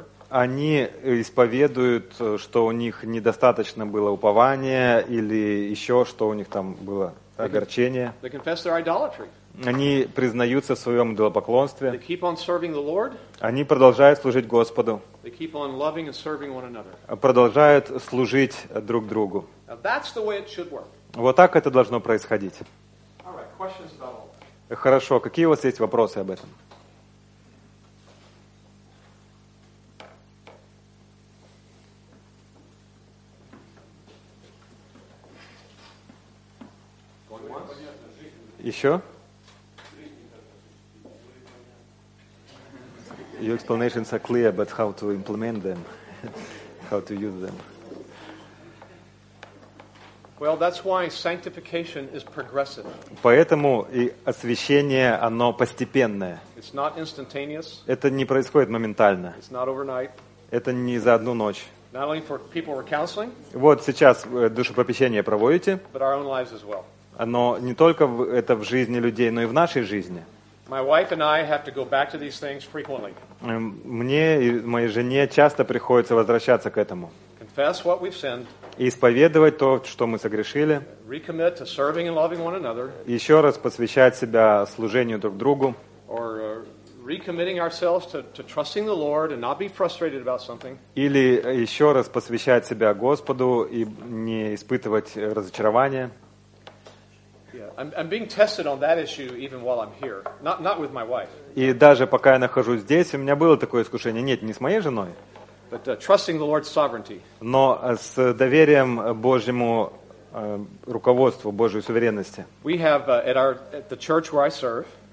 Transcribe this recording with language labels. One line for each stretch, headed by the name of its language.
Russian: Они исповедуют, что у них недостаточно было упования или еще что у них там было, огорчение. Они исповедуют свою идолатрию. Они признаются в своем идолопоклонстве.
English: They keep on serving the Lord.
Russian: Они продолжают служить Господу.
English: They keep on loving and serving one another.
Russian: Продолжают служить друг другу.
English: Now that's the way it should work.
Russian: Вот так это должно происходить.
English: All right, questions about all that.
Russian: Хорошо, какие у вас есть вопросы об этом? Еще?
English: Your explanations are clear, but how to implement them, how to use them. Well, that's why sanctification is progressive.
Russian: Поэтому и освящение, оно постепенное.
English: It's not instantaneous.
Russian: Это не происходит моментально.
English: It's not overnight.
Russian: Это не за одну ночь.
English: Not only for people we're counseling.
Russian: Вот сейчас душепопечение проводите.
English: But our own lives as well.
Russian: Но не только это в жизни людей, но и в нашей жизни.
English: My wife and I have to go back to these things frequently.
Russian: Мне и моей жене часто приходится возвращаться к этому.
English: Confess what we've sinned.
Russian: И исповедовать то, что мы согрешили.
English: Recommit to serving and loving one another.
Russian: Еще раз посвящать себя служению друг другу.
English: Or recommitting ourselves to trusting the Lord and not be frustrated about something.
Russian: Или еще раз посвящать себя Господу и не испытывать разочарования.
English: I'm being tested on that issue even while I'm here. Not with my wife.
Russian: И даже пока я нахожусь здесь, у меня было такое искушение. Нет, не с моей женой.
English: But trusting the Lord's sovereignty.
Russian: Но с доверием Божьему руководству, Божьей суверенности.
English: We have at the church where I serve.